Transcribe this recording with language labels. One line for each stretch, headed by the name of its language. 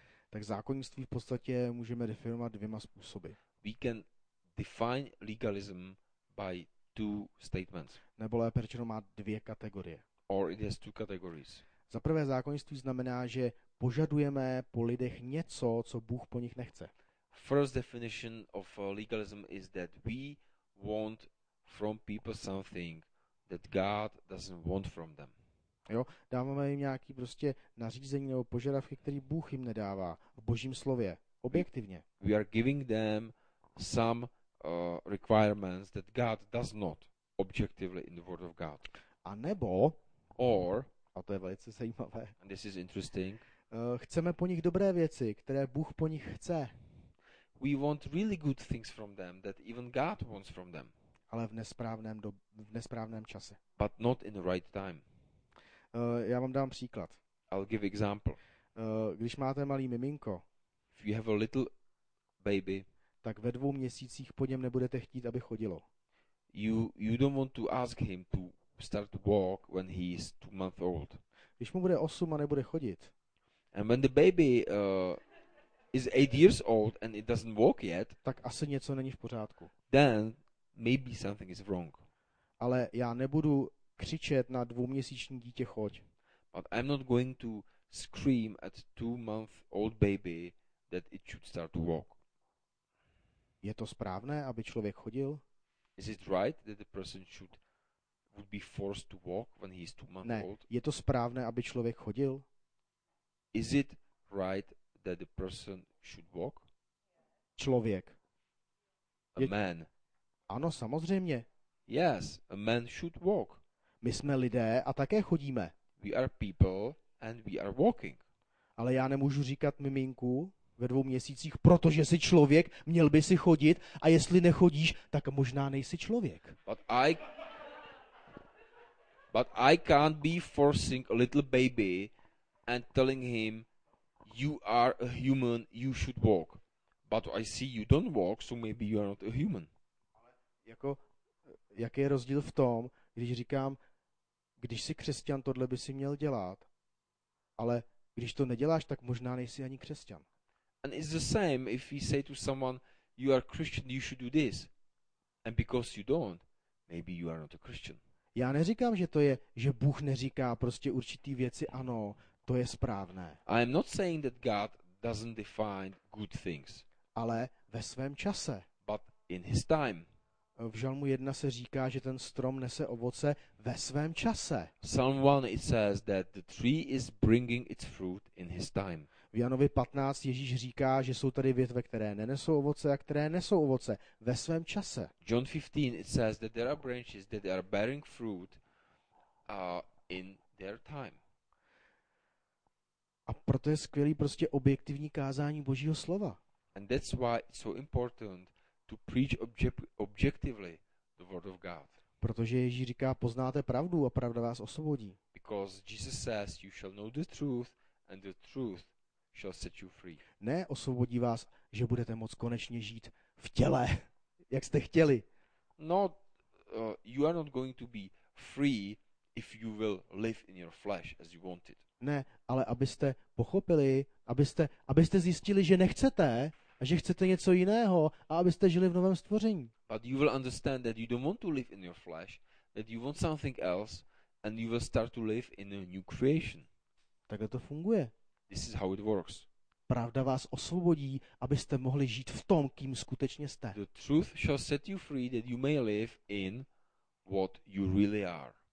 Czech: Tak zákonnictví v podstatě můžeme definovat dvěma způsoby.
English: We can define legalism by two statements.
Czech: Nebo lépe řečeno, má dvě kategorie.
English: Or it has two categories.
Czech: Za prvé, zákonnictví znamená, že požadujeme po lidech něco, co Bůh po nich nechce.
English: First definition of legalism is that we want from people something that God doesn't want from them.
Czech: Jo, dáváme jim nějaký prostě nařízení nebo požadavky, které Bůh jim nedává v Božím slově, objektivně.
English: We are giving them some requirements that God does not objectively in the word of God.
Czech: A nebo,
English: or,
Czech: a to je velice zajímavé,
English: and this is interesting,
Czech: chceme po nich dobré věci, které Bůh po nich chce.
English: We want really good things from them that even God wants from them.
Czech: Ale v nesprávném čase.
English: But not in the right time.
Czech: Já vám dám příklad.
English: I'll give example.
Czech: Když máte malý miminko,
English: If you have a little baby,
Czech: tak ve dvou měsících po něm nebudete chtít, aby chodilo.
English: You don't want to ask him to start to walk when he is 2 months old.
Czech: Když mu bude 8 a nebude chodit.
English: And when the baby is 8 years old and it doesn't walk yet,
Czech: tak asi něco není v pořádku.
English: Then maybe something is wrong.
Czech: Ale já nebudu křičet na dvouměsíční dítě choď.
English: But I'm not going to scream at 2 month old baby that it should start to walk.
Czech: Je to správné, aby člověk chodil?
English: Is it right that the person should would be forced to walk when he is 2 months old?
Czech: Je to správné, aby člověk chodil?
English: Is it right that the person should walk?
Czech: Člověk.
English: A man.
Czech: Ano, samozřejmě.
English: Yes, a man should walk.
Czech: My jsme lidé a také chodíme.
English: We are people and we are walking.
Czech: Ale já nemůžu říkat miminku ve 2 měsících, protože jsi člověk, měl by si chodit a jestli nechodíš, tak možná nejsi člověk.
English: But I can't be forcing a little baby and telling him you are a human, you should walk. But I see you don't walk, so maybe you are not a human.
Czech: Jako, jaký je rozdíl v tom, když říkám, když jsi křesťan, tohle by si měl dělat, ale když to neděláš, tak možná nejsi ani křesťan.
English: And it's the same if we say to someone, you are Christian, you should do this. And because you don't, maybe you are not a Christian.
Czech: Já neříkám, že to je, že Bůh neříká prostě určitý věci, ano, to je správné.
English: I am not saying that God doesn't define good things.
Czech: Ale ve svém čase.
English: But in his time.
Czech: V Žalmu 1 se říká, že ten strom nese ovoce ve svém čase.
English: Psalm 1 it says that the tree is bringing its fruit in his time.
Czech: V Janovi 15 Ježíš říká, že jsou tady větve, které nenesou ovoce a které nesou ovoce ve svém čase.
English: John 15 it says that there are branches that are bearing fruit in their time.
Czech: A proto je skvělý prostě objektivní kázání Božího slova.
English: And that's why it's so important to preach objectively the word of God.
Czech: Protože Ježíš říká, poznáte pravdu a pravda vás osvobodí.
English: Because Jesus says you shall know the truth and the truth shall set you free.
Czech: Ne, osvobodí vás, že budete moct konečně žít v těle, jak jste chtěli.
English: Not you are not going to be free if you will live in your flesh as you wanted.
Czech: Ne, ale abyste pochopili, abyste zjistili, že nechcete a že chcete něco jiného a abyste žili v novém stvoření.
English: But you will understand that you don't want to live in your flesh, that you want something else and you will start to live in a new creation.
Czech: Takhle to funguje.
English: This is how it works.
Czech: Pravda vás osvobodí, abyste mohli žít v tom, kým skutečně jste.
English: The truth shall set you free that you may live in what you really are.